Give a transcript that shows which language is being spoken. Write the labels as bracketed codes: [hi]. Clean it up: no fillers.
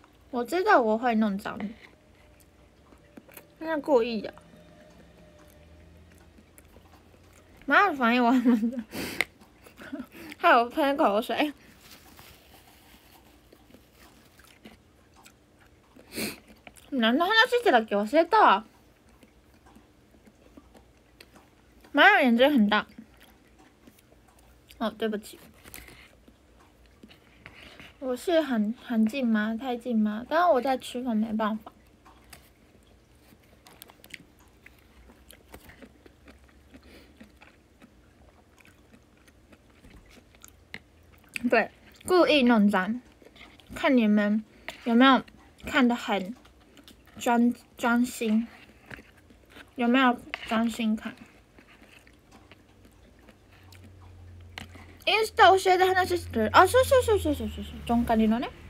[zh] 我知道我会弄脏，那故意的。妈的，反应我很慢，害我喷口水。 [ja] 何の話してたっけ忘れたわ。前より全然変だ。あ、 [zh] 对不起。我是很近吗？太近吗？但我在吃饭，没办法。对，故意弄脏，看你们有没有看得很专心，有没有专心看？ [ja] インスタ教えて話してる。あ、そうそうそうそうそうそう。ジョンカリのね。